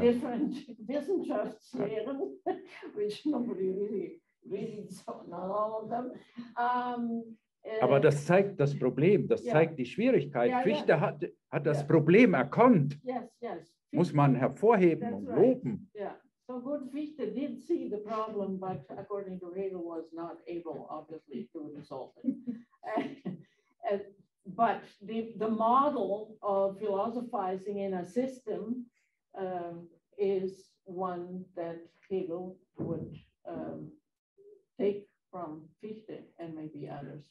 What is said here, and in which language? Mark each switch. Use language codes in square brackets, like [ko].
[en] Different Wissenschaftslehren, which nobody really reads, not all of them. [de] Aber das zeigt das Problem, das zeigt die Schwierigkeit. Yeah, Fichte hat das Problem erkannt. [en] Yes, yes. [de] Fichte, muss man hervorheben und loben. [en] Right. Yeah. So good, Fichte did see the problem, but according to Hegel, was not able, obviously, to resolve it. But the model of philosophizing in a system is one that Hegel would take from Fichte and maybe others.